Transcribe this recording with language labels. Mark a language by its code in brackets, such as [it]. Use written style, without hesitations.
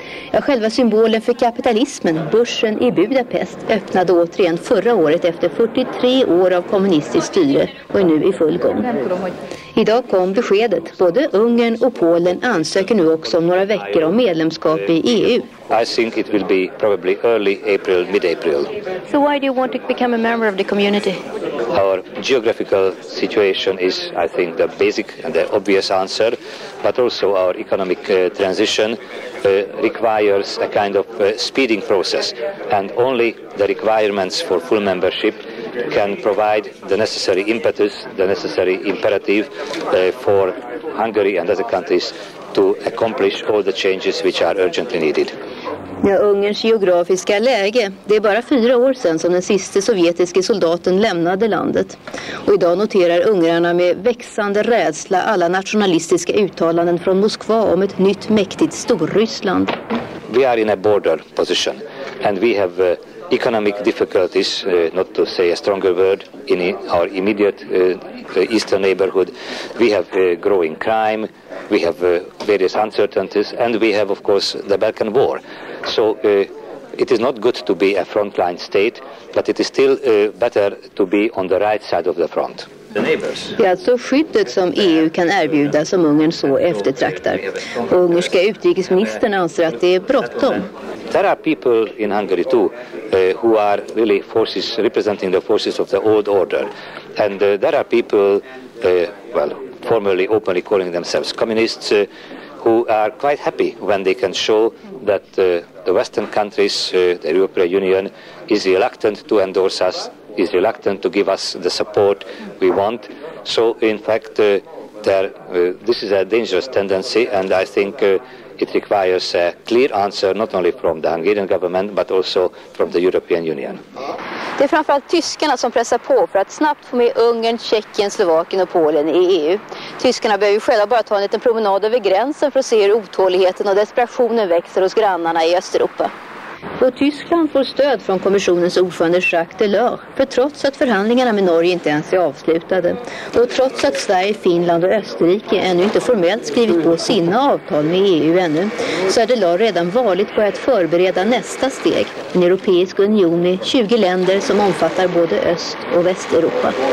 [sv] Ja, själva symbolen för kapitalismen, börsen i Budapest, öppnade återigen förra året efter 43 år av kommunistiskt styre och är nu i full gång. Idag kom beskedet. Både Ungern och Polen ansöker nu också om några veckor om medlemskap i EU. [en] I think it will be probably early April, mid-April. So why do you want to become a member of the community? Our geographical situation is, I think, the basic and the obvious answer, but also our economic transition requires a kind of speeding process, and only the requirements for full membership can provide the necessary impetus, the necessary imperative for Hungary and other countries to accomplish all the changes which are urgently needed. [sv] Ja, Ungerns geografiska läge. Det är bara 4 år sedan som den sista sovjetiska soldaten lämnade landet. Och idag noterar ungrarna med växande rädsla alla nationalistiska uttalanden från Moskva om ett nytt mäktigt Storryssland. [en] We are in a border position and we have economic difficulties, not to say a stronger word, in our immediate eastern neighborhood. We have growing crime, we have various uncertainties and we have of course the Balkan war. So it is not good to be a frontline state, but it is still better to be on the right side of the front. [sv] Det är alltså skyddet som EU kan erbjuda som Ungern så eftertraktar. Och ungerska utrikesministern anser att det är bråttom. [en] There are people in Hungary too who are really forces representing the forces of the old order. And there are people, well, formerly openly calling themselves communists, who are quite happy when they can show that the Western countries, the European Union, is reluctant to endorse us, is reluctant to give us the support we want. So, in fact, this is a dangerous tendency, and I think it requires a clear answer, not only from the Hungarian government, but also from the European Union. [sv] Det är framförallt tyskarna som pressar på för att snabbt få med Ungern, Tjeckien, Slovakien och Polen i EU. Tyskarna behöver ju själva bara ta en liten promenad över gränsen för att se hur otåligheten och desperationen växer hos grannarna i Östeuropa. Och Tyskland får stöd från kommissionens ordförande Jacques Delors, för trots att förhandlingarna med Norge inte ens är avslutade och trots att Sverige, Finland och Österrike ännu inte formellt skrivit på sina avtal med EU ännu, så är Delors redan varligt på att förbereda nästa steg, en europeisk union med 20 länder som omfattar både Öst- och Västeuropa.